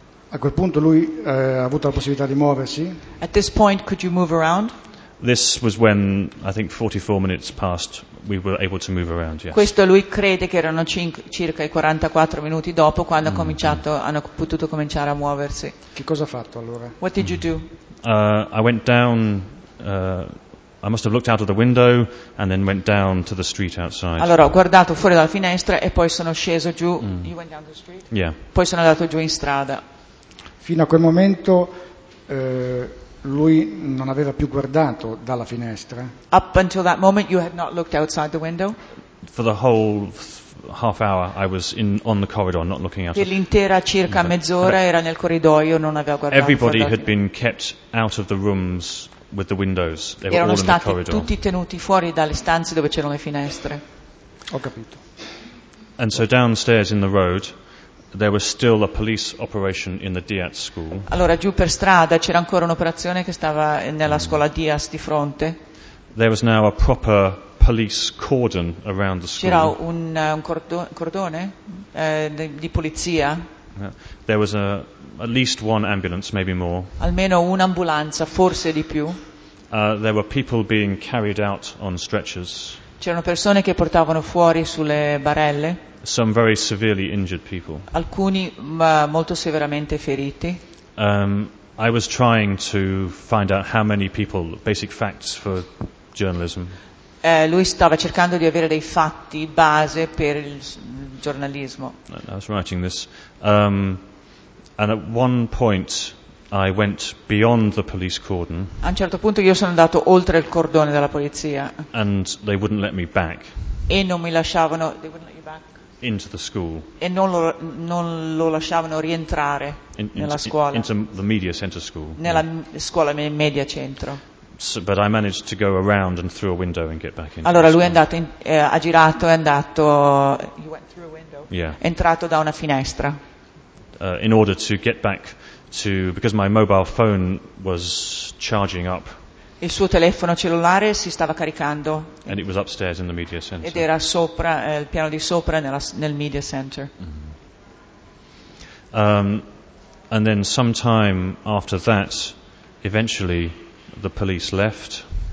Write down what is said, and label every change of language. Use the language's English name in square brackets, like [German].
[Italian] A quel punto lui ha avuto la possibilità di muoversi. [English] At this point could you move around? This was when I think 44 minutes passed. We were able to move around. Yes. [Italian] Questo lui crede che erano circa i 44 minuti dopo quando hanno potuto cominciare a muoversi. Che cosa ha fatto allora? [English] What did you do? I went down. I must have looked out of the window and then went down to the street outside. [Italian] Allora ho guardato fuori dalla finestra e poi sono sceso giù. [English] You went down the street. Yeah. [Italian] Poi sono andato giù in strada. Fino a quel momento. Lui non aveva più guardato dalla finestra. [English] Up until that moment you had not looked outside the window? For the whole half hour I was on the corridor not looking out. [Italian] Per l'intera circa mezz'ora era nel corridoio, non aveva guardato. [English] Everybody had been kept out of the rooms with the windows. They were all in the corridor. [Italian] Erano stati tutti tenuti fuori dalle stanze dove c'erano le finestre. Ho capito. [English] And so downstairs in the road there was still a police operation in the Diaz school. [Italian] Allora giù per strada c'era ancora un'operazione che stava nella scuola Diaz di fronte. [English] There was now a proper police cordon around the school. [Italian] C'era un cordone di polizia. [English] There was at least one ambulance, maybe more. [Italian] Almeno un'ambulanza, forse di più. [English] There were people being carried out on stretchers. [Italian] C'erano persone che portavano fuori sulle barelle. [English] Some very severely injured people. [Italian] Alcuni molto severamente feriti. [English] I was trying to find out how many people, basic facts for journalism. [Italian] Lui stava cercando di avere dei fatti base per il giornalismo. [English] I was writing this. And at one point I went beyond the police cordon. [Italian] A un certo punto io sono andato oltre il cordone della polizia. [English] And they wouldn't let me back. [Italian] E non mi lasciavano. [English] They wouldn't let you back. Into the school. [Italian] E non lo lasciavano rientrare nella scuola. [English] Into the media center school. [Italian] Nella scuola media centro. [English] So, but I managed to go around and through a window and get back in. [Italian] Allora lui è andato ha girato e è andato. [English] You went through a window. Yeah. [Italian] È entrato da una finestra. [English] In order to get back to, because my mobile phone was charging up. [Italian] Il suo telefono cellulare si stava caricando. [English] And it was upstairs in the media center. [Italian] Ed era sopra, il piano di sopra nel media center. [English] And then sometime after that, eventually the police left.